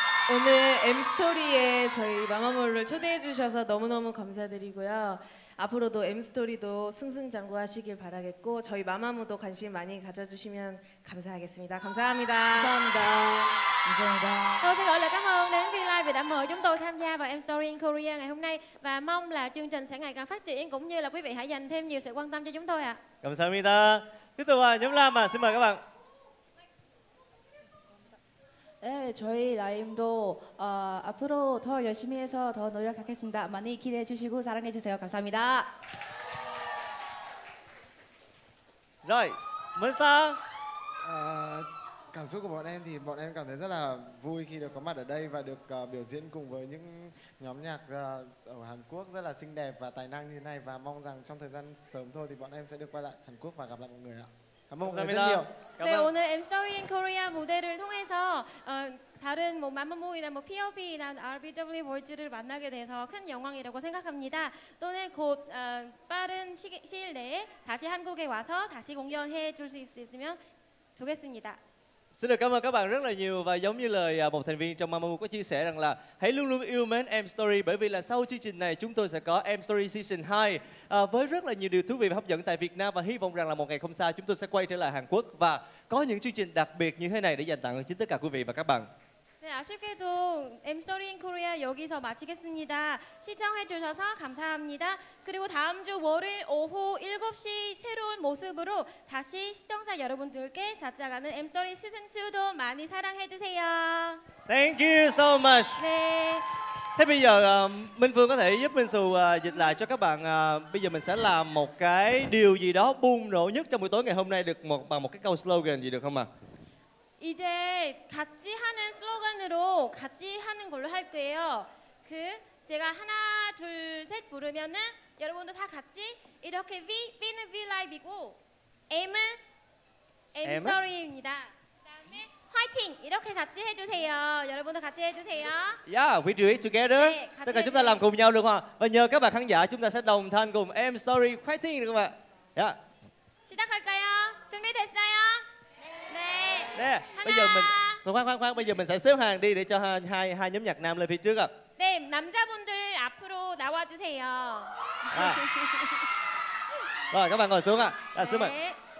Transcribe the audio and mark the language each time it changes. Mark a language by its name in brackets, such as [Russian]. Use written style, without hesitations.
[Korean] 오늘 M스토리에 저희 마마무를 초대해 주셔서 너무너무 감사드리고요. 앞으로도 M스토리도 승승장구하시길 바라겠고 저희 마마무도 관심 많이 가져주시면 감사하겠습니다. 감사합니다. 감사합니다. 감사합니다. [Vietnamese] Tôi xin gửi lời cảm ơn đến V-Live vì đã mời chúng tôi tham gia vào M-Story in Korea ngày hôm nay và mong là chương trình sẽ ngày càng phát triển cũng như là quý vị hãy dành thêm nhiều sự quan tâm cho chúng tôi ạ. [Korean] 감사합니다. [Vietnamese] Tiếp tục nhóm Lam xin mời các bạn. [Korean] 네, 저희 라임도 앞으로 더 열심히 해서 더 노력하겠습니다. 많이 기대해 주시고 사랑해 주세요. 감사합니다. [Vietnamese] Rồi, Monster. Cảm xúc của bọn em thì bọn em cảm thấy rất là vui khi được có mặt ở đây và được biểu diễn cùng với những nhóm nhạc ở Hàn Quốc rất là xinh đẹp và tài năng như thế này và mong rằng trong thời gian sớm thôi thì bọn em sẽ được quay lại Hàn Quốc và gặp lại mọi người ạ. [Korean] 감사합니다. 감사합니다. 네, 오늘 M Story in Korea 무대를 통해서 다른 뭐 마마무이나 뭐 POV나 RBW 볼즈를 만나게 돼서 큰 영광이라고 생각합니다. 또는 곧 빠른 시일 내에 다시 한국에 와서 다시 공연해 줄 수 있으면 좋겠습니다. [Vietnamese] Xin được cảm ơn các bạn rất là nhiều. Và giống như lời một thành viên trong Mamamoo có chia sẻ rằng là hãy luôn luôn yêu mến Em Story, bởi vì là sau chương trình này chúng tôi sẽ có Em Story Season 2 với rất là nhiều điều thú vị và hấp dẫn tại Việt Nam. Và hy vọng rằng là một ngày không xa chúng tôi sẽ quay trở lại Hàn Quốc và có những chương trình đặc biệt như thế này để dành tặng cho tất cả quý vị và các bạn. [Korean] 네, 아쉽게도 M Story in Korea 여기서 마치겠습니다. 시청해 주셔서 감사합니다. 그리고 다음 주 월요일 오후 7시 새로운 모습으로 다시 시청자 여러분들께 찾아가는 M Story Season 2도 많이 사랑해 주세요. [English] Thank you so much. [Korean] 네. [Vietnamese] Thế bây giờ Minh Phương có thể giúp Minh Sù dịch lại cho các bạn. Bây giờ mình sẽ làm một cái điều gì đó bùng nổ nhất trong buổi tối ngày hôm nay được một bằng một cái câu slogan gì được không ạ? À? [Korean] 이제 같이 하는 슬로건으로 같이 하는 걸로 할 거예요. 그 제가 하나 둘 셋 부르면은 여러분도 다 같이 이렇게 V, V는 V Live이고 M은 M Story입니다. 그다음에 화이팅 이렇게 같이 해주세요. 여러분도 같이 해주세요. [English] Yeah, we do it together. [Vietnamese] 네, tất cả chúng ta làm cùng nhau luôn ha. Và nhờ các bạn khán giả chúng ta sẽ đồng thanh cùng M Story fighting được không ạ? [English] Yeah. [Korean] 시작할까요? 준비됐어요? 네. 네. 하나. [Vietnamese] Bây giờ mình khoan, bây giờ mình sẽ xếp hàng đi để cho hai nhóm nhạc nam lên phía trước ạ. [Korean] 네, 남자분들 앞으로 나와 주세요. 아. [Vietnamese] 와, các bạn ngồi xuống ạ. À, xin mời.